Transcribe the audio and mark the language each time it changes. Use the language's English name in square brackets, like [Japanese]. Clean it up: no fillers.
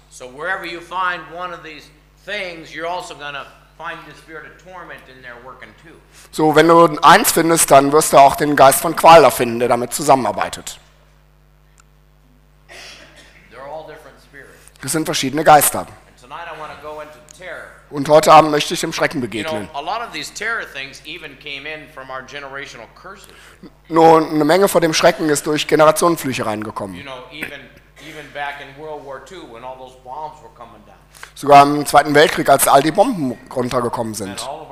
[English] So wherever you find one of these things, you're also going to find the spirit of torment in there working too. [German] So, wenn du eins findest, dann wirst du auch den Geist von Qual da finden, der damit zusammenarbeitet. [English] They're all different spirits. [German] Das sind verschiedene Geister. [English] And tonight I want to go into terror. [German] Und heute Abend möchte ich dem Schrecken begegnen. [English] You know, a lot of these terror things even came in from our generational curses. [German] Nur eine Menge von dem Schrecken ist durch Generationenflüche reingekommen. [English] You know, even back in World War II when all those bombs were coming down. [German] Sogar im Zweiten Weltkrieg, als all die Bomben runtergekommen sind.